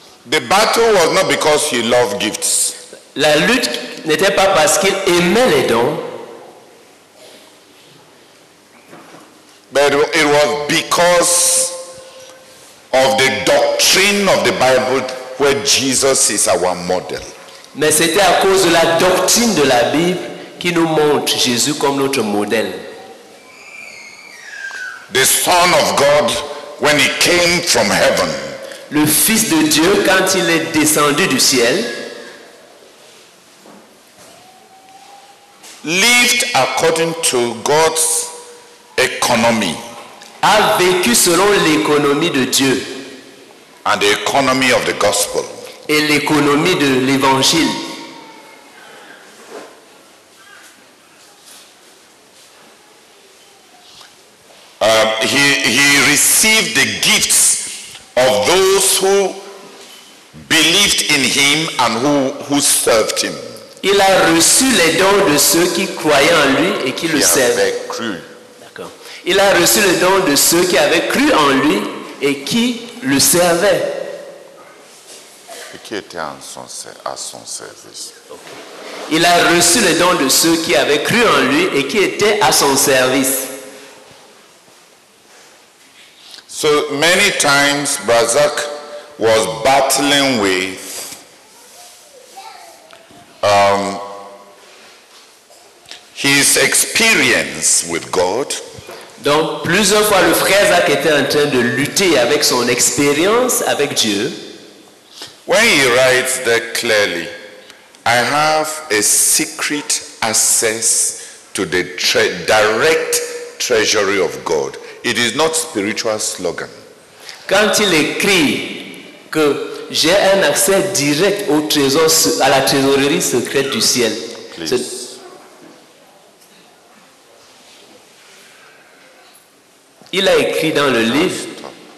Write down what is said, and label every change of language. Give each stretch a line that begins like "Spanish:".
English: The battle was not because he loved gifts.
French: La lutte n'était pas parce qu'il aimait les dons.
English: But it was because of the doctrine of the Bible where Jesus is our model.
French: Mais c'était à cause de la doctrine de la Bible qui nous montre Jésus comme notre modèle.
English: The Son of God, when he came from heaven.
French: Le Fils de Dieu, quand il est descendu du ciel,
English: lived according to God's economy.
French: A vécu selon l'économie de Dieu.
English: And the economy of the gospel.
French: Et l'économie de l'évangile.
English: He received the gifts of those who believed in him and who served him.
French: Il a reçu les dons de ceux qui croyaient en lui et qui
English: he
French: le servaient. Cru. D'accord. Il a reçu les dons de ceux qui avaient cru en lui et qui le servaient. Et qui était à son service. Okay. Il a reçu les dons de ceux qui avaient cru en lui et qui étaient à son service.
English: So many times Brazak was battling with his experience with God.
French: Donc plusieurs fois le frère Zach était en train de lutter avec son expérience avec Dieu.
English: When he writes that clearly, I have a secret access to the direct treasury of God. It is not spiritual slogan.
French: Quand il écrit que j'ai un accès direct au trésor, à la trésorerie secrète du ciel.
English: Please.
French: Il a écrit dans le livre. Stop.